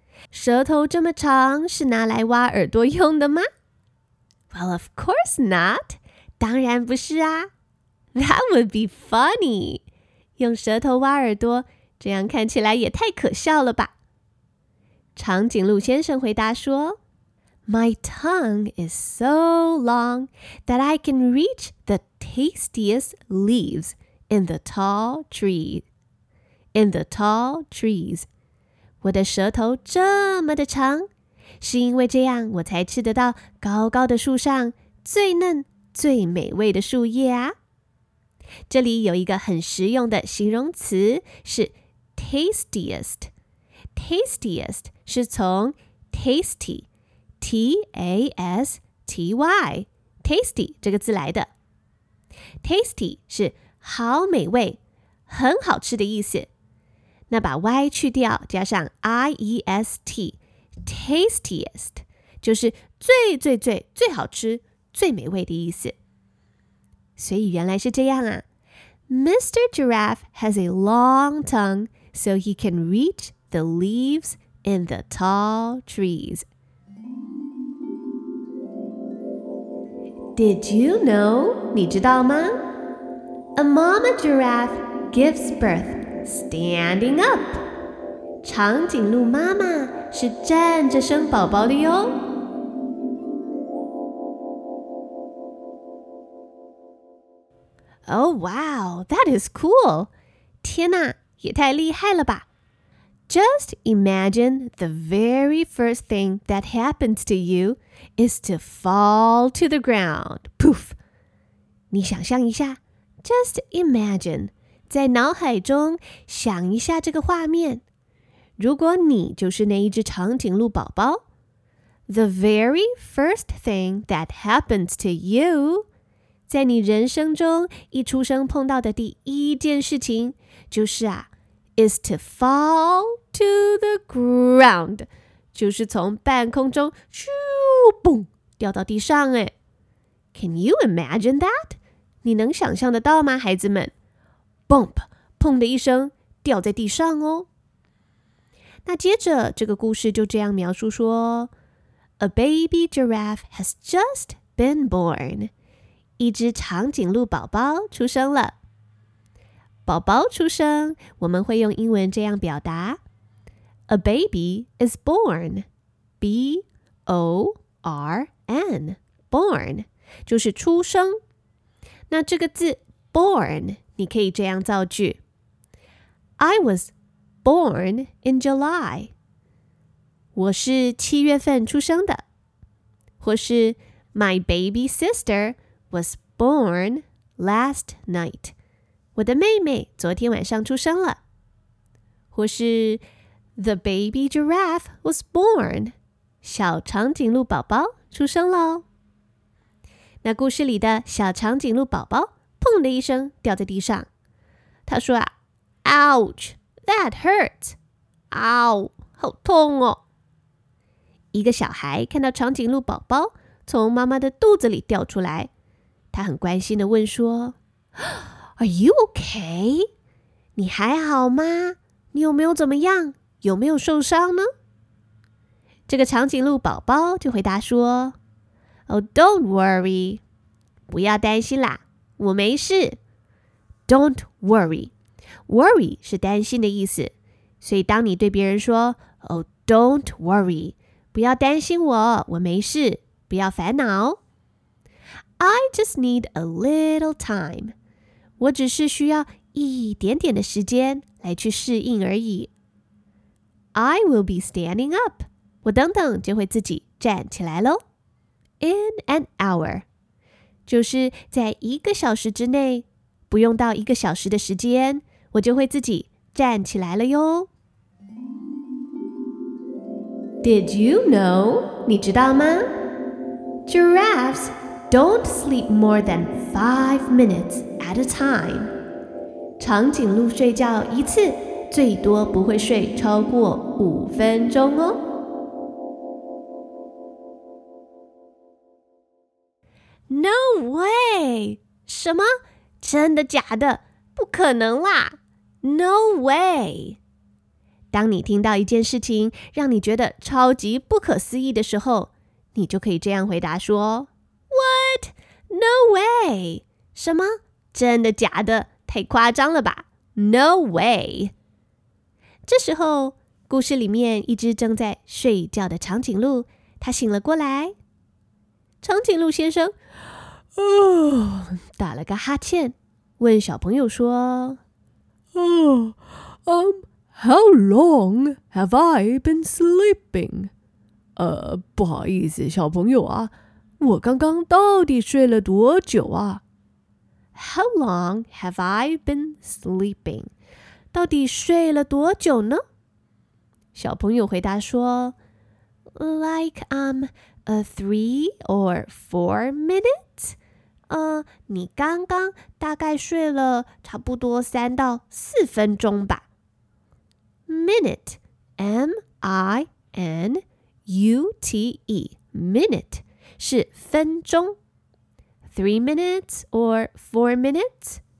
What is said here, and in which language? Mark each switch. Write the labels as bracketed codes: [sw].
[zh] 舌头这么长是拿来挖耳朵用的吗? [en] Well, of course not. [zh] 当然不是啊。 [en] That would be funny. [zh] 用舌头挖耳朵,这样看起来也太可笑了吧。长颈鹿先生回答说, [en] My tongue is so long that I can reach the tastiest leaves in the tall tree. In the tall trees. [zh] 我的舌头这么的长是因为这样我才吃得到高高的树上最嫩最美味的树叶啊。这里有一个很实用的形容词是 tastiest. Tastiest 是从 tasty, T-A-S-T-Y, tasty 这个字来的。 Tasty 是好美味很好吃的意思。那把 Y 去掉加上 I-E-S-T Tastiest 就是最最最最好吃最美味的意思所以原来是这样啊 [en] Mr. Giraffe has a long tongue so he can reach the leaves in the tall trees Did you know? [zh] 你知道吗? [en] A mama giraffe gives birthStanding up! [zh] 长颈鹿妈妈是站着生宝宝的哟。 [en] Oh, wow, that is cool. [zh] 天哪，也太厉害了吧。 [en] Just imagine the very first thing that happens to you is to fall to the ground. Poof! [zh] 你想象一下 [en] ,just imagine, [zh] 在脑海中想一下这个画面。如果你就是那一只长颈鹿宝宝 [en] ,the very first thing that happens to you, [zh] 在你人生中一出生碰到的第一件事情就是啊 [en] is to fall to the ground, [zh] 就是从半空中咻蹦掉到地上诶。 [en] Can you imagine that? [zh] 你能想象得到吗孩子们 [en] ?Bump, [zh] 砰的一声掉在地上哦。那接着这个故事就这样描述说 [en] ,A baby giraffe has just been born. [zh] 一只长颈鹿宝宝出生了。宝宝出生，我们会用英文这样表达 [en] ：A baby is born. [zh] B O R N, born 就是出生。那这个字 born， 你可以这样造句 [en] ：I was born in July. [zh] 我是七月份出生的。或是 [en] My baby sister was born last night. [zh] 我的妹妹昨天晚上出生了。或是 [en] The baby giraffe was born. [zh] 小长颈鹿宝宝出生了。那故事里的小长颈鹿宝宝砰的一声掉在地上。他说啊 [en] ,Ouch, that hurts. [zh] 嗷，好痛哦。一个小孩看到长颈鹿宝宝从妈妈的肚子里掉出来。他很关心地问说 [en] Are you okay? [zh] 你还好吗？你有没有怎么样？有没有受伤呢？这个长颈鹿宝宝就回答说 [en] Oh, don't worry. [zh] 不要担心啦，我没事。 [en] Don't worry. [zh] Worry 是担心的意思。所以当你对别人说 [en] Oh, don't worry. [zh] 不要担心我，我没事。不要烦恼。 [en] I just need a little time. [zh] 我只是需要一点点的时间来去适应而已。 [en] I will be standing up. [zh] 我等等就会自己站起来咯。 [en] In an hour. [zh] 就是在一个小时之内，不用到一个小时的时间，我就会自己站起来了哟。 [en] Did you know? [zh] 你知道吗？ [en] Giraffes don't sleep more than 5 minutes. At a time. [zh] 长颈鹿睡觉一次最多不会睡超过5分钟哦。 [en] No way! [zh] 什么？真的假的？不可能啦！ [en] No way! [zh] 当你听到一件事情让你觉得超级不可思议的时候，你就可以这样回答说 [en] What? No way! [zh] 什么？真的假的？太夸张了吧 [en] ！No way！ [zh] 这时候，故事里面一只正在睡觉的长颈鹿，它醒了过来。长颈鹿先生，打了个哈欠，问小朋友说 [en] ：“How long have I been sleeping？” [zh] 不好意思，小朋友啊，我刚刚到底睡了多久啊？ [en] How long have I been sleeping? [zh] 到底睡了多久呢？小朋友回答说 [en] Like, three or four minutes? [zh] 你刚刚大概睡了差不多3到4分钟吧。 [en] Minute, M-I-N-U-T-E, minute, [zh] 是分钟。 [en] 3 minutes or 4 minutes?